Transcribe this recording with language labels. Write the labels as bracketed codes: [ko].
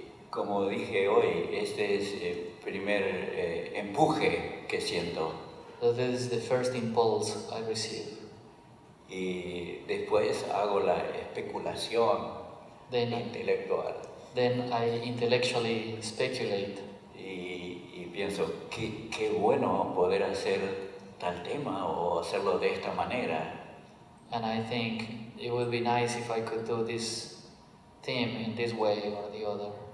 [es] Como dije hoy, este es el primer empuje que siento. [en] So this is the first impulse I receive. [es] Y después hago la especulación intelectual. [en] Then I intellectually speculate. [es] Y pienso, qué bueno poder hacer tal tema o hacerlo de esta manera. [en] And I think it would be nice if I could do this theme in this way or the other.